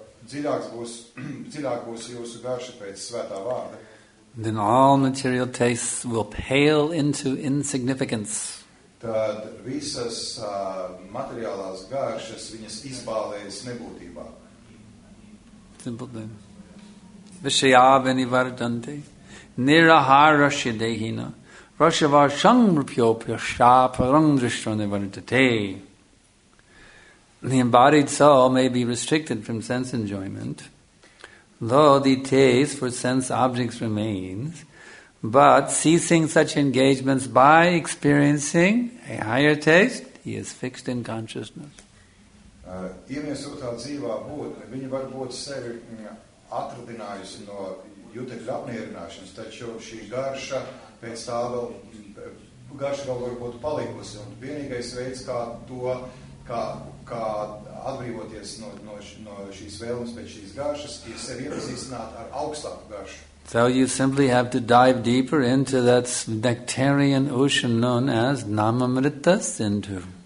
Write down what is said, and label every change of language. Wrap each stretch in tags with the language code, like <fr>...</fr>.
<lv>Dziļāk būs jūsu garša pēc svētā vārda.</lv> <en>Then all material tastes will pale into insignificance.</en> <lv>Tad visas materiālās garšas, viņas izbālēs nebūtībā.</lv> <en>Simple thing.</en> <sa>Vishayāveni vardante nirahāra shidehina rāshavā shangrupyopya shāparangrishrane vardate.</sa> <en>The embodied soul may be restricted from sense enjoyment, though the taste for sense objects remains, but ceasing such engagements by experiencing a higher taste, he is fixed in consciousness.</en> <lv>Iemiesotā dzīvā būtne, viņa varbūt sevi atradinājusi no jutekļa apmierināšanas, taču šī garša pēc tā vēl, garša vēl varbūt palikusi, un vienīgais veids, kā to, kā atbrīvoties no šīs vēlmes pēc šīs garšas, ir sevi iepazīstināt ar augstāku garšu.</lv> <en>So you simply have to dive deeper into that nectarian ocean known as Namamrita Sindhu.</en>